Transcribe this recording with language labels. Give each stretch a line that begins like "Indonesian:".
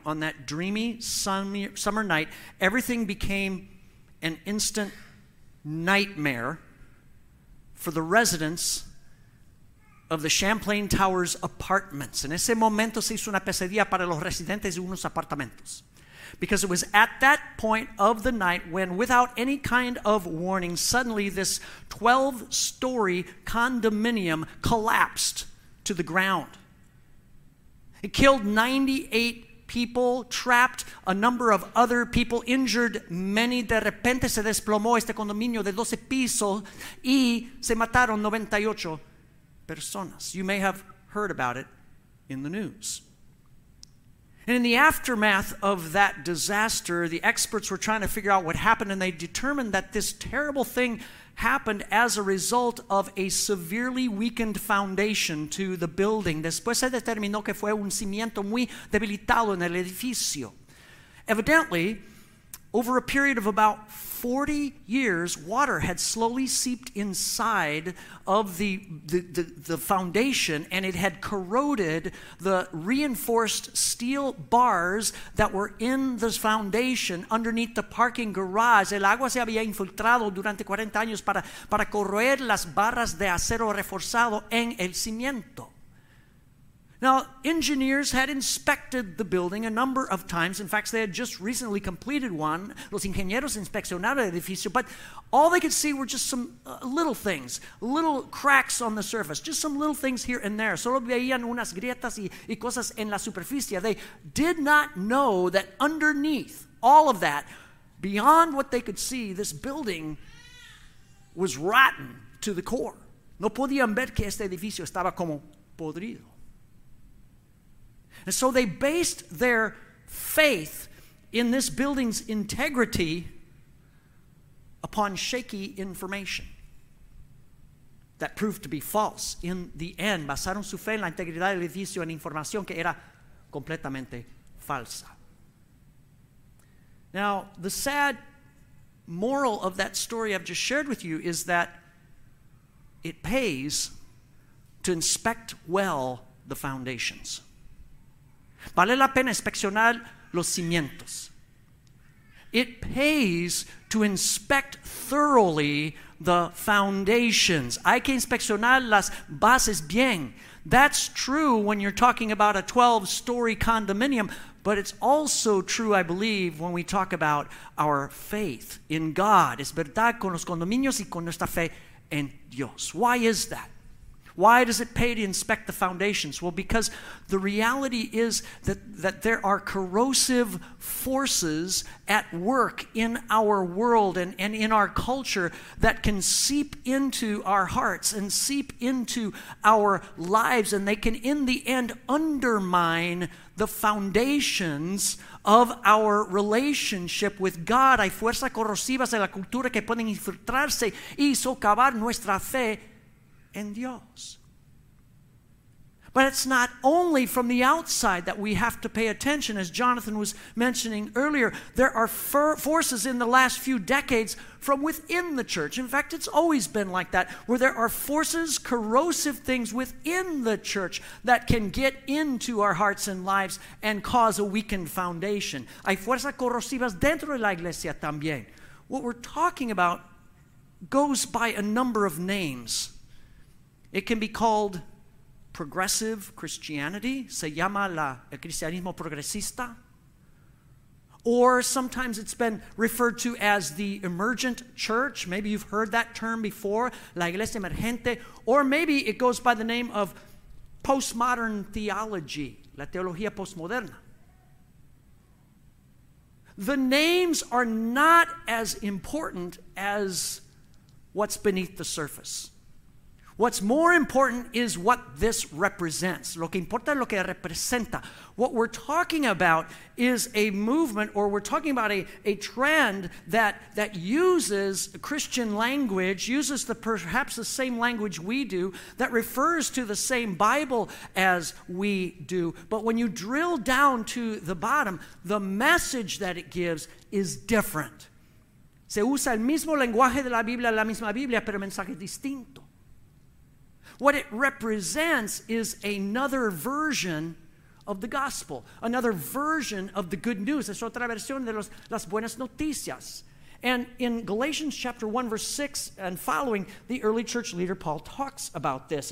English: on that dreamy summer night, everything became an instant nightmare for the residents of the Champlain Towers apartments.
Spanish: En ese momento se hizo una pesadilla para los residentes de unos apartamentos.
English: Because it was at that point of the night when, without any kind of warning, suddenly this 12-story condominium collapsed to the ground. It killed 98 people, trapped a number of other people, injured many.
Spanish: De repente se desplomó este condominio de 12 pisos y se mataron 98 personas.
English: You may have heard about it in the news. And in the aftermath of that disaster, the experts were trying to figure out what happened, and they determined that this terrible thing happened as a result of a severely weakened foundation to the building.
Spanish: Después se determinó que fue un cimiento muy debilitado en el edificio.
English: Evidently, over a period of about 40 years, water had slowly seeped inside of the foundation, and it had corroded the reinforced steel bars that were in this foundation underneath the parking garage.
Spanish: El agua se había infiltrado durante 40 años para corroer las barras de acero reforzado en el cimiento.
English: Now, engineers had inspected the building a number of times. In fact, they had just recently completed one.
Spanish: Los ingenieros inspeccionaron el edificio,
English: but all they could see were just some little things, little cracks on the surface, just some little things here and there.
Spanish: Solo veían unas grietas y cosas en la superficie.
English: They did not know that underneath all of that, beyond what they could see, this building was rotten to the core.
Spanish: No podían ver que este edificio estaba como podrido.
English: And so they based their faith in this building's integrity upon shaky information that proved to be false in the end.
Spanish: Basaron su fe en la integridad del edificio en información que era completamente falsa.
English: Now, the sad moral of that story I've just shared with you is that it pays to inspect well the foundations.
Spanish: Vale la pena inspeccionar los cimientos.
English: It pays to inspect thoroughly the foundations.
Spanish: Hay que inspeccionar las bases bien.
English: That's true when you're talking about a 12-story condominium, but it's also true, I believe, when we talk about our faith in God.
Spanish: Es verdad con los condominios y con nuestra fe en Dios.
English: Why is that? Why does it pay to inspect the foundations? Well, because the reality is that there are corrosive forces at work in our world and in our culture that can seep into our hearts and seep into our lives, and they can, in the end, undermine the foundations of our relationship with God.
Spanish: Hay fuerzas corrosivas en la cultura que pueden infiltrarse y socavar nuestra fe en Dios.
English: But it's not only from the outside that we have to pay attention. As Jonathan was mentioning earlier, there are forces in the last few decades from within the church. In fact, it's always been like that, where there are forces, corrosive things within the church that can get into our hearts and lives and cause a weakened foundation.
Spanish: Hay fuerzas corrosivas dentro de la iglesia también.
English: What we're talking about goes by a number of names. It can be called progressive Christianity.
Spanish: Se llama el cristianismo progresista.
English: Or sometimes it's been referred to as the emergent church. Maybe you've heard that term before,
Spanish: la iglesia emergente.
English: Or maybe it goes by the name of postmodern theology,
Spanish: la teología postmoderna.
English: The names are not as important as what's beneath the surface. What's more important is what this represents.
Spanish: Lo que importa es lo que representa.
English: What we're talking about is a movement, or we're talking about a trend that uses Christian language, uses perhaps the same language we do, that refers to the same Bible as we do. But when you drill down to the bottom, the message that it gives is different.
Spanish: Se usa el mismo lenguaje de la misma Biblia, pero mensaje distinto.
English: What it represents is another version of the gospel, another version of the good news.
Spanish: Es otra versión de las buenas noticias.
English: And in Galatians chapter 1, verse 6 and following, the early church leader Paul talks about this.